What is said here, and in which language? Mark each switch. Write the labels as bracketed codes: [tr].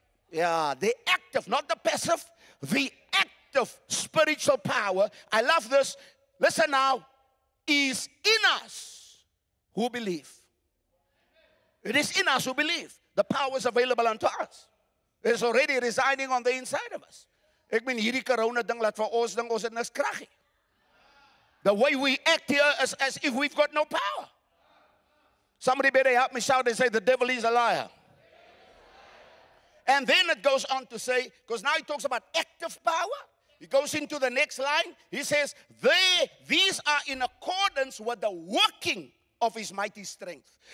[en] Yeah, the active, not the passive, the active spiritual power. I love this. Listen now, is in us who believe. It is in us who believe. The power is available unto us. It is already residing on the inside of us. [af] Ek meen hierdie corona ding laat vir ons ding ons het niks krag nie. [en] The way we act here is as if we've got no power. Somebody better help me shout and say the devil is a liar. And then it goes on to say, because now he talks about active power. He goes into the next line. He says, these are in accordance with the working of his mighty strength.